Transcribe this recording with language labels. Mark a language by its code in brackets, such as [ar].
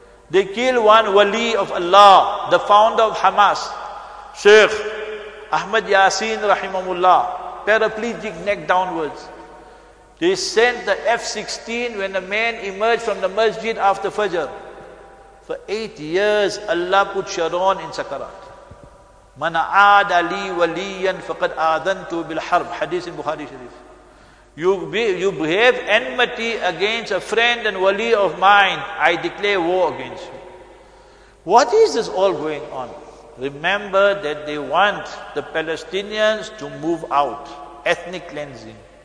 [en] They kill one wali of Allah, the founder of Hamas, Sheikh Ahmed Yasin, rahimahullah, paraplegic, neck downwards. They sent the F-16 when a man emerged from the masjid after Fajr. For 8 years, Allah put Sharon in Sakarat. [ar] من عاد لي وليا فقد آذنت بالحرب حديث البخاري الشريف. [en] You behave enmity against a friend and wali of mine, I declare war against you. What is this all going on? Remember that they want the Palestinians to move out, ethnic cleansing.